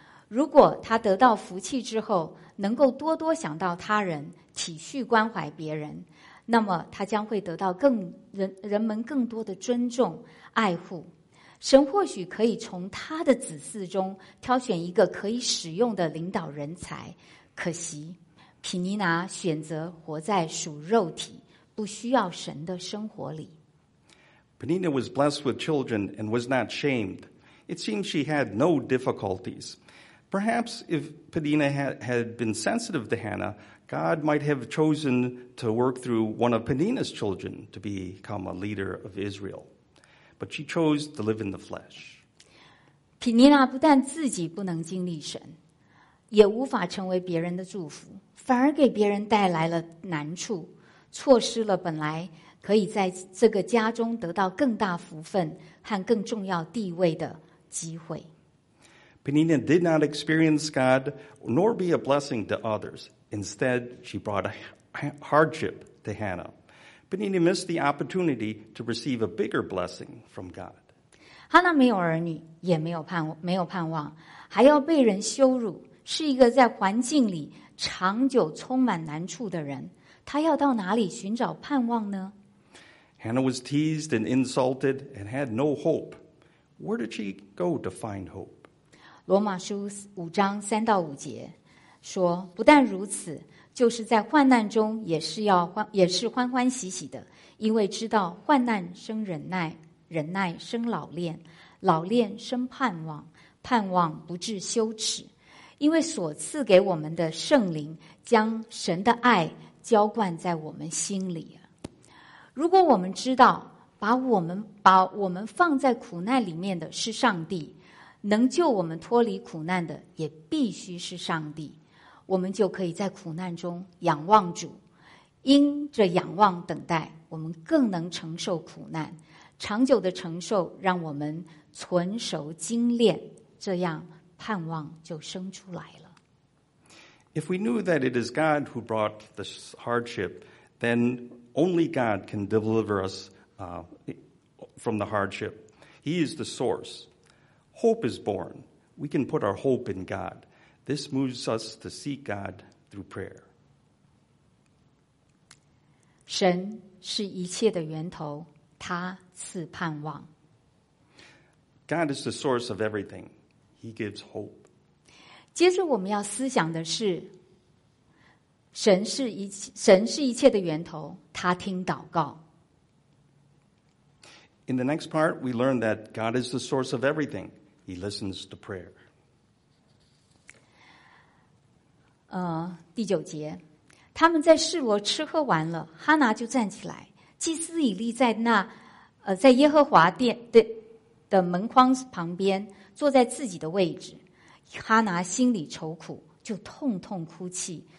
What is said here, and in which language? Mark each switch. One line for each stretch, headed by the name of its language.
Chinese: 如果他得到福气之后，能够多多想到他人，体恤关怀别人，那么他将会得到人们更多的尊重爱护。神或许可以从他的子嗣中挑选一个可以使用的领导人才，可惜皮尼拿选择活在属肉体不需要神的生活里。
English: Penina was blessed with children and was not shamed. It seems she had no difficulties. Perhaps if Penina had been sensitive to Hannah,God might have chosen to work through one of Penina's children to become a leader of Israel. But she chose to live in the flesh.
Chinese: Penina 不但自己不能经历神，也无法成为别人的祝福，反而给别人带来了难处，错失了本来可以在这个家中得到更大福分和更重要地位的机会。
English: Penina did not experience God nor be a blessing to others. Instead, she brought a hardship to Hannah. Penina missed the opportunity to receive a bigger blessing from God.
Chinese: Hannah 没有儿女，也没有盼望，还要被人羞辱，是一个在环境里长久充满难处的人。她要到哪里寻找盼望呢？
English: Hannah was teased and insulted and had no hope. Where did she go to find hope?
Chinese: 罗马书五章三到五节说，不但如此，就是在患难中也是欢欢喜喜的，因为知道患难生忍耐，忍耐生老练，老练生盼望，盼望不致羞耻，因为所赐给我们的圣灵将神的爱浇灌在我们心里。如果我们知道把把我们放在苦难里面的是上帝，能救我们脱离苦难的也必须是上帝，我们就可以在苦难中仰望主，因着仰望等待，我们更能承受苦难，长久的承受让我们存熟精炼，这样盼望就生出来了。
English: If we knew that it is God who brought this hardship, then only God can deliver us from the hardship. He is the source. Hope is born. We can put our hope in God. This moves us to seek God through prayer.
Chinese: 神是一切的源头，他赐盼望。
English: God is the source of everything. He gives hope.
Chinese: 接着我们要思想的是神是一切的源头，他听祷告。
English: In the next part, we learn that God is the source of everything. He listens to prayer.
Chinese: 第九节，他们在示罗吃喝完了，哈拿就站起来，祭司以利在那，在耶和华殿的门框旁边，坐在自己的位置。哈拿心里愁苦，就痛痛哭泣。